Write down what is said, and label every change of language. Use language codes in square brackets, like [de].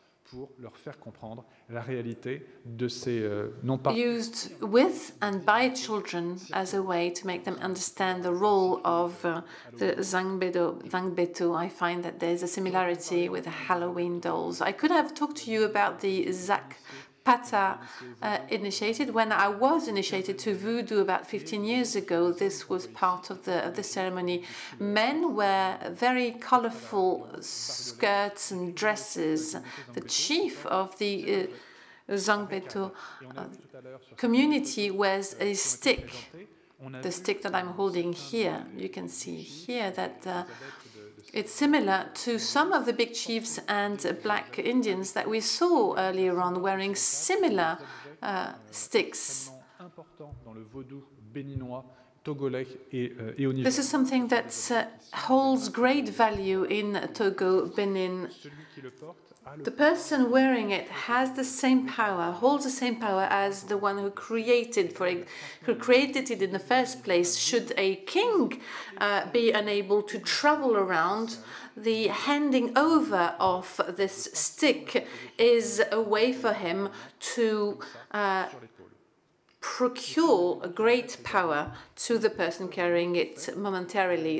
[fr] pour leur faire comprendre la réalité de ces non pas [en] used with and by children as a way to make them understand the role of the zangbeto. I find that there's a similarity with the Halloween dolls. I could have talked to you about the Zach Pata initiated. When I was initiated to voodoo about 15 years ago, this was part of the ceremony. Men wear very colorful skirts and dresses. The chief of the zangbeto community wears a stick, the stick that I'm holding here. You can see here that it's similar to some of the big chiefs and black Indians that we saw earlier on wearing similar sticks. [fr] important dans le vaudou béninois, togolais et au Niger. [en] This is something that holds great value in Togo, Benin. [fr] Celui qui le porte a le... [en] The person wearing it has the same power, holds the same power as the one who created for it, who created it in the first place. Should a king be unable to travel around, the handing over of this stick is a way for him to procure a great power to the person carrying it momentarily.